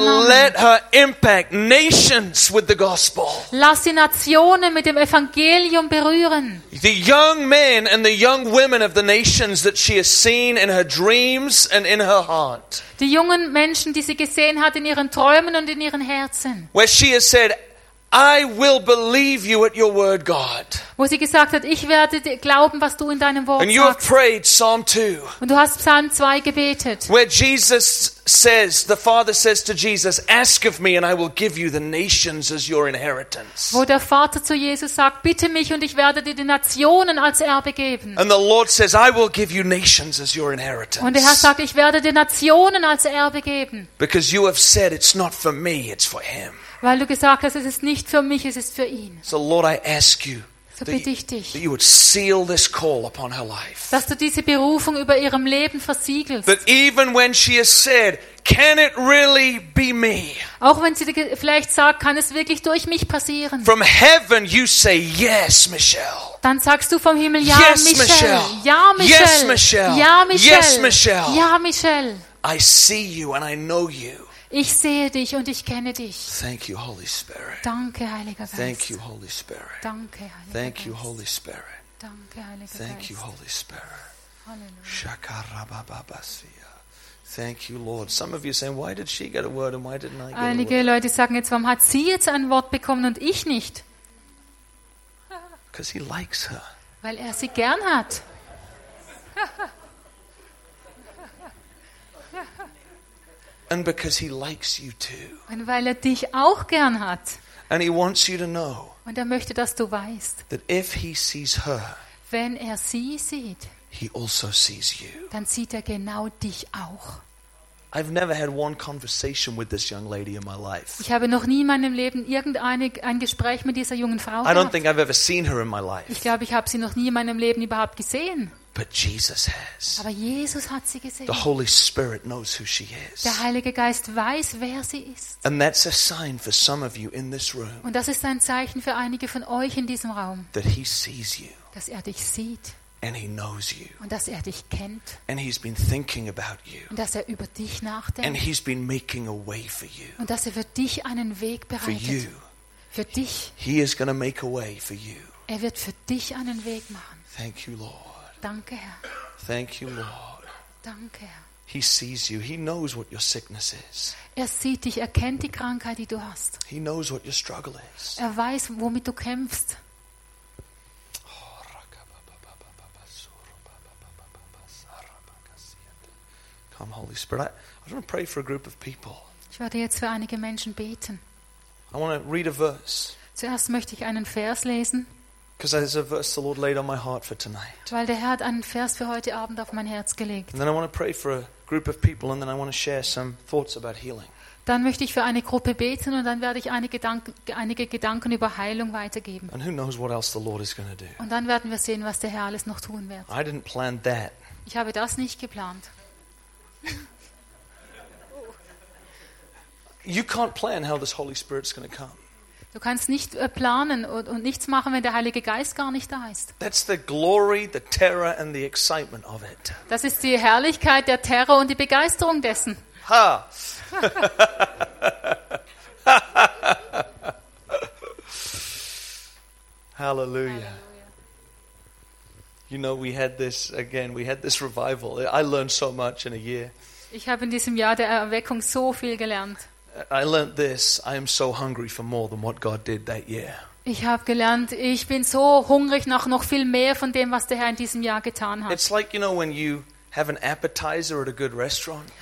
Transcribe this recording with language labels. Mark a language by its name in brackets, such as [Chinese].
[English] God, let her impact nations with the gospel. [German] Lass sie Nationen mit dem Evangelium berühren. [English] The young men and the young women of the nations that she has seen in her dreams and in her heart. [German] Die jungen Menschen, die sie gesehen hat in ihren Träumen und in ihren Herzen. [English] Where she has said, I will believe you at your word, God. [German] Wo sie gesagt hat, ich werde glauben, was du in deinem Wort sagst. [English] And you have prayed Psalm 2. [German] Und du hast Psalm 2 gebetet. [English] Where Jesus says, the Father says to Jesus, ask of me and I will give you the nations as your inheritance. [German] Wo der Vater zu Jesus sagt, bitte mich und ich werde dir die Nationen als Erbe geben. [English] And the Lord says, I will give you nations as your inheritance. [German] Und der Herr sagt, ich werde dir Nationen als Erbe geben. [English] Because you have said, it's not for me, it's for him. [German] Weil du gesagt hast, es ist nicht für mich, es ist für ihn. [English] So Lord, I ask you, [German] So bitte ich dich, [English] that you would seal this call upon her life. [German] Dass du diese Berufung über ihrem Leben versiegelst. [English] That even when she has said, can it really be me? [German] Auch wenn sie vielleicht sagt, kann es wirklich durch mich passieren? [English] From heaven you say yes, Michelle. [German] Dann sagst du vom Himmel ja, [English] yes, Michelle. [German] Michelle. Ja, Michelle. [English] Yes, Michelle. [German] Ja, Michelle. [English] Yes, Michelle. [German] Ja, Michelle. [English] I see you and I know you. [German] Ich sehe dich und ich kenne dich. [English] Thank you, Holy Spirit. [German] Danke, Heiliger Geist. [English] Thank you, Holy Spirit. [German] Danke, Heiliger Geist. [English] Thank you, Holy Spirit. [German] Danke, Heiliger Geist. [English] Thank you, Holy Spirit. Hallelujah. Shakarababasia. Thank you, Lord. Some of you are saying, why did she get a word and why didn't I get a word? [German] Einige Leute sagen jetzt, warum hat sie jetzt ein Wort bekommen und ich nicht? [English] Because he likes her. [German] Weil er sie gern hat. [English] And because he likes you too. [German] Und weil er dich auch gern hat. [English] And he wants you to know. [German] Und er möchte, dass du weißt. [English] That if he sees her. [German] Wenn er sie sieht. [English] He also sees you. [German] Dann sieht er genau dich auch. [English] I've never had one conversation with this young lady in my life. [German] Ich habe noch nie in meinem Leben ein Gespräch mit dieser jungen Frau gehabt. [English] I don't think I've ever seen her in my life. [German] Ich glaube, ich habe sie noch nie in meinem Leben überhaupt gesehen. [English] But Jesus has. [German] Aber Jesus hat sie gesehen. [English] The Holy Spirit knows who she is. [German] Der Heilige Geist weiß, wer sie ist. [English] And that's a sign for some of you in this room. [German] Und das ist ein Zeichen für einige von euch in diesem Raum. [English] That he sees you. [German] Dass er dich sieht. [English] And he knows you. [German] Und dass er dich kennt. [English] And he's been thinking about you. [German] Und dass er über dich nachdenkt. [English] And he's been making a way for you. [German] Und dass er für dich einen Weg bereitet. [English] For you. [German] Für dich. [English] He is going to make a way for you. [German] Er wird für dich einen Weg machen. [English] Thank you, Lord. [German] Danke, Herr. [English] Thank you, Lord. [German] Danke, Herr. [English] He sees you. He knows what your sickness is. [German] Er sieht dich, er kennt die Krankheit, die du hast. [English] He knows what your struggle is. [German] Er weiß, womit du kämpfst. [English] Come, Holy Spirit. I want to pray for a group of people. [German] Ich werde jetzt für einige Menschen beten. [English] I want to read a verse. [German] Zuerst möchte ich einen Vers lesen. [English] Because there's a verse the Lord laid on my heart for tonight. [German] Weil der Herr hat einen Vers für heute Abend auf mein Herz gelegt. [English] And then I want to pray for a group of people, and then I want to share some thoughts about healing. [German] Dann möchte ich für eine Gruppe beten und dann werde ich einige Gedanken über Heilung weitergeben. [English] And who knows what else the Lord is going to do? [German] Und dann werden wir sehen, was der Herr alles noch tun wird. [English] I didn't plan that. [German] Ich habe das nicht geplant. [English] You can't plan how this Holy Spirit's going to come. [German] Du kannst nicht planen und nichts machen, wenn der Heilige Geist gar nicht da ist. [English] That's the glory, the terror and the excitement of it. [German] Das ist die Herrlichkeit, der Terror und die Begeisterung dessen. Ha. [English] Hallelujah. You know, we had this again, we had this revival. I learned so much in a year. [German] Ich habe in diesem Jahr der Erweckung so viel gelernt. [English] I learned this. I am so hungry for more than what God did that year. [German] Ich habe gelernt, ich bin so hungrig nach noch viel mehr von dem, was der Herr in diesem Jahr getan hat. [English] It's like, you know, when you have an appetizer at a good restaurant.